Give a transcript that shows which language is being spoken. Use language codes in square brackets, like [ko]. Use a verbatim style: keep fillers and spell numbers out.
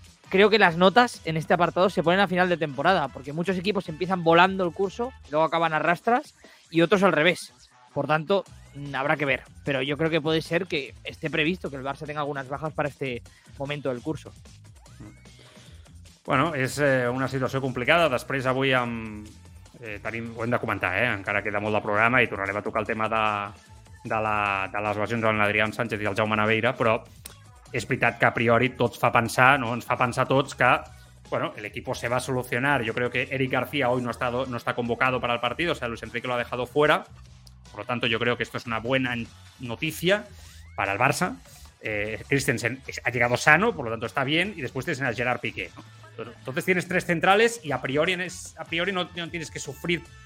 [es] Creo que las notas en este apartado se ponen a final de temporada, porque muchos equipos empiezan volando el curso, luego acaban a rastras, y otros al revés. Por tanto, habrá que ver. Pero yo creo que puede ser que esté previsto que el Barça tenga algunas bajas para este momento del curso. [ca] Bueno, és eh, una situació complicada. Després avui amb... eh, tenim... ho hem de comentar, eh? Encara queda molt de programa i tornarem a tocar el tema de, de, la... de les lesions de l'Adrián Sánchez i el Jaume Naveira, però és veritat que a priori tots fa pensar, no, ens fa pensar tots que, bueno, [es] el equipo se va a solucionar. Yo creo que Eric García hoy no está, no está convocado para el partido, o sea, Luis Enrique lo ha dejado fuera. Por lo tanto, yo creo que esto es una buena noticia para el Barça. Eh, Christensen ha llegado sano, por lo tanto está bien, y después tienes a Gerard Piqué, ¿no? Entonces tienes tres centrales y a priori, a priori no, no tienes que sufrir